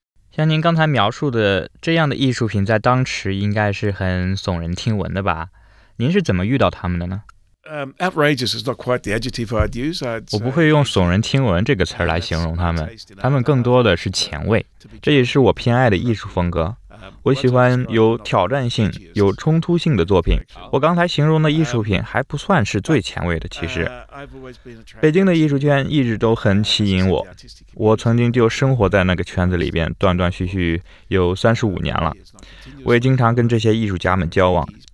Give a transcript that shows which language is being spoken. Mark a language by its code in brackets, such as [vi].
[zh] 像您刚才描述的这样的艺术品在当时应该是很耸人听闻的吧，您是怎么遇到他们的呢？ [en] Outrageous is not quite the adjective I'd use. [zh] 我不会用耸人听闻这个词来形容他们，他们更多的是前卫，这也是我偏爱的艺术风格。我喜欢有挑战性、有冲突性的作品。我刚才形容的艺术品还不算是最前卫的，其实。北京的艺术圈一直都很吸引我，我曾经就生活在那个圈子里边，断断续续有35年了。我也经常跟这些艺术家们交往。